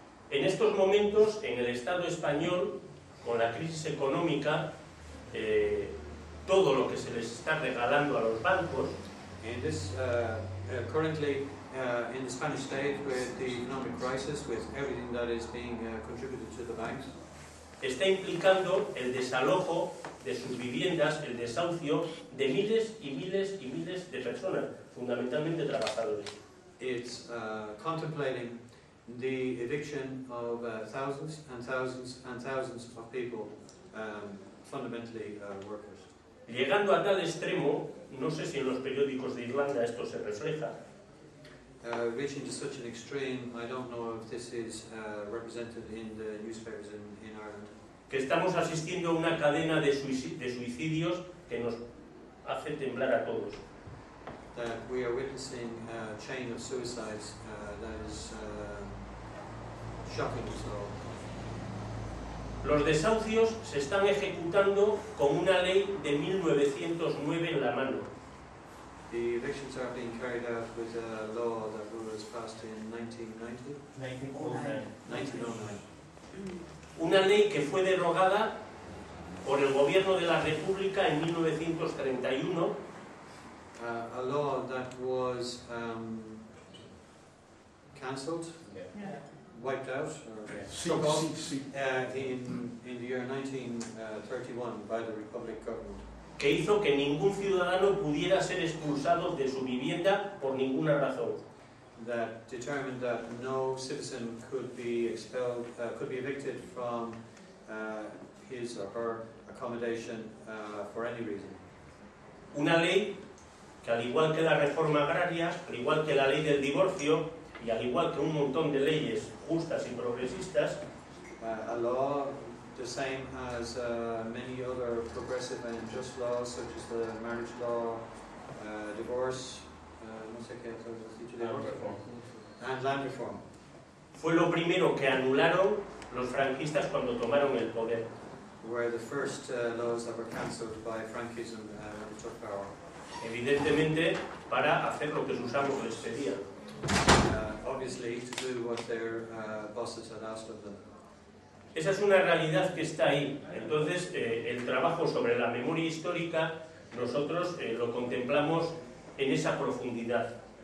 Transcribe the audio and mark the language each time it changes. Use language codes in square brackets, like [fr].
[es] En estos momentos, en el Estado español, con la crisis económica, todo lo que se les está regalando a los bancos. [en] In this currently in the Spanish state with the economic crisis, with everything that is being contributed to the banks, [es] está implicando el desalojo de sus viviendas, el desahucio de miles y miles y miles de personas, fundamentalmente trabajadores. [en] It's contemplating the eviction of thousands and thousands and thousands of people, fundamentally workers. [es] Llegando a tal extremo, no sé si en los periódicos de Irlanda esto se refleja. [en] Reaching to such an extreme, I don't know if this is represented in the newspapers in Ireland. [es] Que estamos asistiendo a una cadena de suicidios que nos hace temblar a todos. [en] That we are witnessing a chain of suicides that is shocking us all. [es] Los desahucios se están ejecutando con una ley de 1909 en la mano. [en] The evictions are being carried out with a law that was passed in 1990. [es] 1909. Una ley que fue derogada por el gobierno de la República en 1931. [en] A law that was cancelled. Yeah. Wiped out, struck off in the year 1931 by the Republic government. [es] Que hizo que ningún ciudadano pudiera ser expulsado de su vivienda por ninguna razón. [en] That determined that no citizen could be expelled, could be evicted from his or her accommodation for any reason. [es] Una ley que al igual que la reforma agraria, al igual que la ley del divorcio, y al igual que un montón de leyes justas y progresistas, [en] a law the same as many other progressive and just laws, such as the marriage law, divorce, [es] no sé qué, [en] land reform. And land reform. [es] Fue lo primero que anularon los franquistas cuando tomaron el poder. [en] Were the first laws that were cancelled by Francism when they took power. [es] Evidentemente, para hacer lo que sus amos les pedían. [en] Obviously, to do what their bosses had asked of them. [es] Esa es una realidad que está ahí. Entonces, el trabajo sobre la memoria histórica, nosotros lo contemplamos en esa profundidad.